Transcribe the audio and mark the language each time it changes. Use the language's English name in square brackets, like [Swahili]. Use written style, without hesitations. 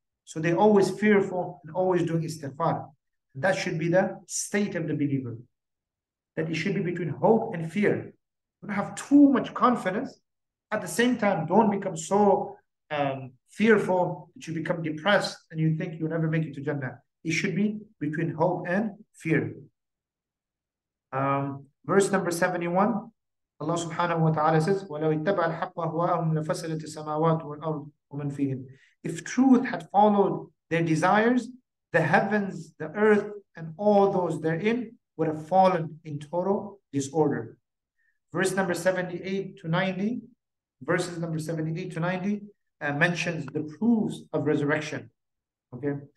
[English] So they're always fearful and always doing istighfar. That should be the state of the believer, that it should be between hope and fear. Don't have too much confidence. At the same time, don't become so fearful that you become depressed and you think you'll never make it to Jannah. It should be between hope and fear. Verse number 71, Allah subhanahu wa ta'ala says, [Arabic] وَلَوْ اتَّبَعَ الْحَقَّ هُوَاهُمْ لَفَسَدَتِ السَّمَاوَاتُ وَالْأَرْضُ وَمَنْ فِيهِنْ. [English] If truth had followed their desires, the heavens, the earth, and all those therein would have fallen in total disorder. Verse number 78 to 90, verses number 78 to 90 mentions the proofs of resurrection. Okay.